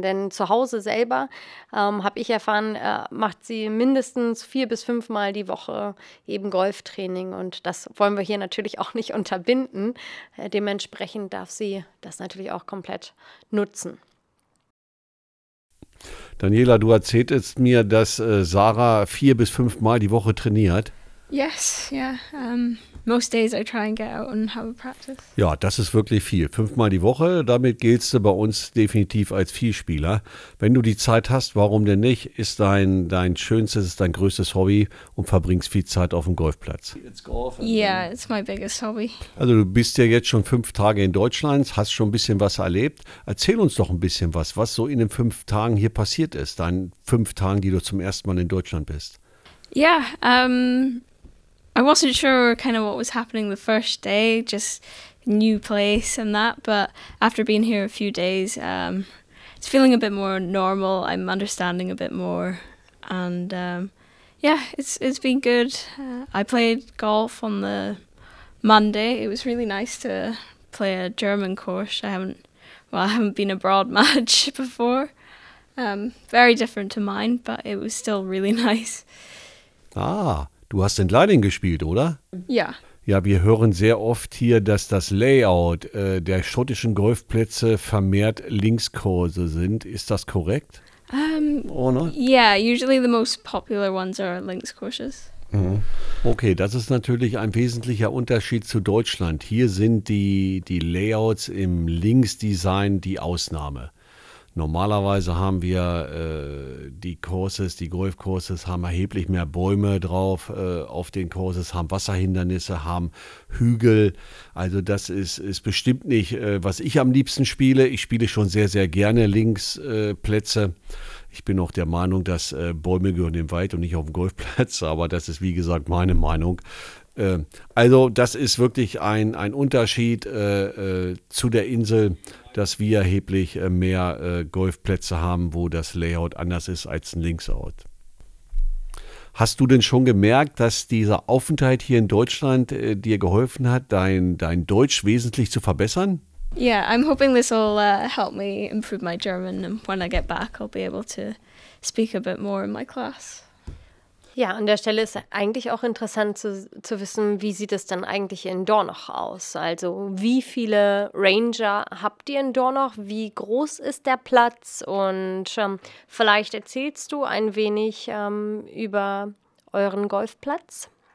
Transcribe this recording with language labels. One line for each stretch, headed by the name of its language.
German: Denn zu Hause selber, habe ich erfahren, macht sie mindestens 4 bis 5 Mal die Woche eben Golftraining. Und das wollen wir hier natürlich auch nicht unterbinden. Dementsprechend darf sie das natürlich auch komplett nutzen. Daniela, du erzähltest mir, dass Sarah 4 bis 5 Mal die Woche trainiert.
English: Yes, yeah. Most days I try and get out and have a practice.
German: Ja, das ist wirklich viel. 5 Mal die Woche, damit giltst du bei uns definitiv als Vielspieler. Wenn du die Zeit hast, warum denn nicht, ist dein schönstes, dein größtes Hobby und verbringst viel Zeit auf dem Golfplatz.
English: It's golf and yeah, it's my biggest hobby.
German: Also du bist ja jetzt schon 5 Tage in Deutschland, hast schon ein bisschen was erlebt. Erzähl uns doch ein bisschen was so in den 5 Tagen hier passiert ist, deinen 5 Tagen, die du zum ersten Mal in Deutschland bist.
English: Yeah, I wasn't sure kind of what was happening the first day, just new place and that, but after being here a few days, it's feeling a bit more normal, I'm understanding a bit more, and yeah, it's been good. I played golf on the Monday, it was really nice to play a German course, I haven't been abroad much before, very different to mine, but it was still really nice.
German: Ah, du hast in Leiding gespielt, oder? Ja. Ja, wir hören sehr oft hier, dass das Layout der schottischen Golfplätze vermehrt Linkskurse sind. Ist das korrekt?
English: Yeah, usually the most popular ones are Linkskurses.
German: Okay, das ist natürlich ein wesentlicher Unterschied zu Deutschland. Hier sind die Layouts im Linksdesign die Ausnahme. Normalerweise haben wir die Golfcourses haben erheblich mehr Bäume drauf auf den Courses, haben Wasserhindernisse, haben Hügel. Also das ist bestimmt nicht, was ich am liebsten spiele. Ich spiele schon sehr, sehr gerne Linksplätze. Ich bin auch der Meinung, dass Bäume gehören im Wald und nicht auf dem Golfplatz, aber das ist wie gesagt meine Meinung. Also das ist wirklich ein Unterschied zu der Insel, dass wir erheblich mehr Golfplätze haben, wo das Layout anders ist als ein Linksout. Hast du denn schon gemerkt, dass dieser Aufenthalt hier in Deutschland dir geholfen hat, dein Deutsch wesentlich zu verbessern?
English: Yeah, I'm hoping this will help me improve my German and when I get back I'll be able to speak a bit more in my class.
German: Ja, an der Stelle ist eigentlich auch interessant zu wissen, wie sieht es denn eigentlich in Dornoch aus? Also wie viele Ranger habt ihr in Dornoch? Wie groß ist der Platz? Und vielleicht erzählst du ein wenig über euren Golfplatz?